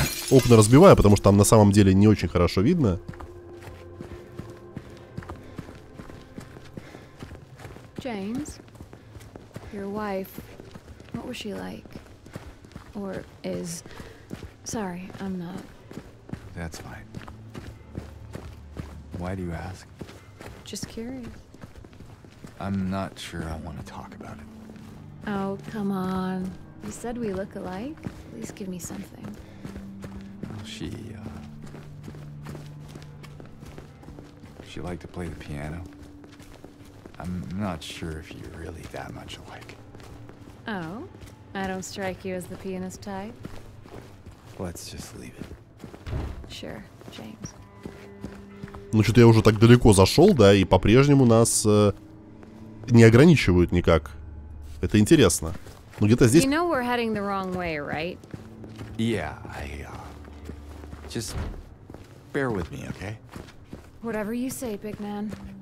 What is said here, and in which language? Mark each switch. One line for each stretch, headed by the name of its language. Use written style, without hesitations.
Russian: Окна разбиваю, потому что там на самом деле не очень хорошо видно.
English: James, your wife, what was she like? Or is... Sorry, I'm not. That's fine. Why do you ask? Just curious. I'm not sure I want to talk about it. Oh, come on. You said we look alike. Please give me something. Well, she liked to play the piano. I'm not sure if you're really that much alike. Oh, I don't strike you as the pianist type. Let's just leave it. Sure, James.
Russian: Ну что-то я уже так далеко зашел, да, и по-прежнему нас... не ограничивают никак. Это интересно. Ну где-то здесь.
English: You know we're heading the wrong way, right? Yeah, I just bear with me, okay? Whatever you say, big man.